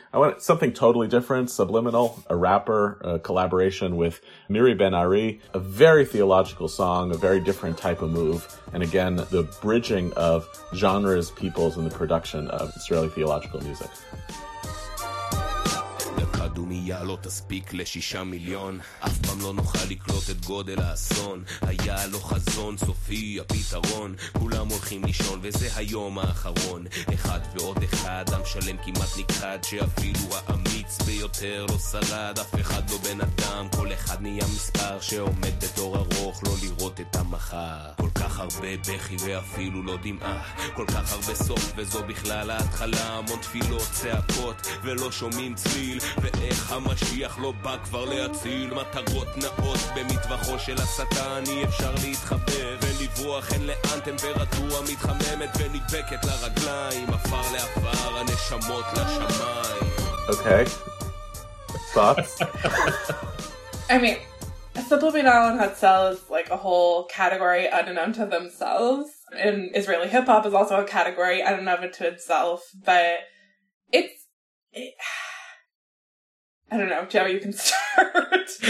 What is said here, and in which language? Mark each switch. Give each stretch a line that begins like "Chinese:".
English: I want something totally different, subliminal, a rapper, a collaboration with Miri Ben-Ari, a very theological song, a very different type of move. And again, the bridging of genres, peoples, and the production of Israeli theological music.
Hebrew: דומיה לא תספיק לשישה מיליון אף פעם לא נוכל לקלוט את גודל האסון היה לו חזון סופי הפתרון כולם הולכים לישון וזה היום האחרון אחד ועוד אחד עם שלם כמעט נקחד שאפילו האמיץ ביותר לא שרד אף אחד לא בן אדם כל אחד נהיה מספר שעומד בתור ארוך לא לראות את המחר כל כך הרבה בכי ואפילו לא דמעה כל כך הרבה סוף וזו בכלל ההתחלה המון תפילות צעקות ולא שומעים צליל איך המשיח לא בא כבר להציל מטרות נאות במטווחו של השטן אי אפשר להתחבר ולברוח אין לאן טמפרטורה מתחממת ונדבקת לרגליים עפר לעפר הנשמות לשמיים אוקיי,
English: I mean, a subliminal in itself is like a whole category unknown to themselves. and Israeli hip hop is also a category in and of it to itself, but I don't know, Joe, you can start.